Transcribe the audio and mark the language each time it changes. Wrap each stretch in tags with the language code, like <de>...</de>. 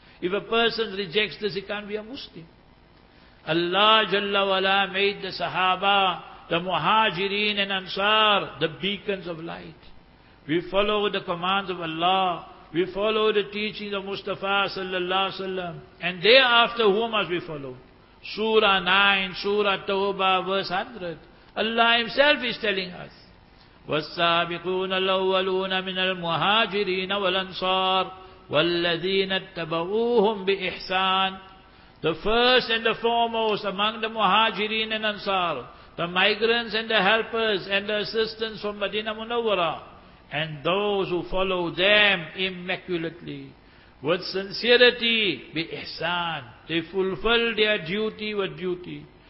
<en>If a person rejects this, he can't be a Muslim. Allah Jalla Wala made the Sahaba, the Muhajireen and Ansar, the beacons of light. We follow the commands of Allah. We follow the teachings of Mustafa sallallahu alaihi wasallam. And thereafter, who must we follow? Surah 9, Surah Tawbah, verse 100. Allah Himself is telling us,</en> <ar>وَالسَّابِقُونَ الْأَوَّلُونَ مِنَ الْمُهَاجِرِينَ وَالْأَنصَارِ وَالَّذِينَ اتَّبَعُوهُمْ بِإِحْسَانٍ.</ar> <en>The first and the foremost among the Muhajirin and Ansar, the migrants and the helpers and the assistants from Madinah Munawwara, and those who follow them immaculately, with sincerity, bi ihsan, they fulfill their duty with duty.</en>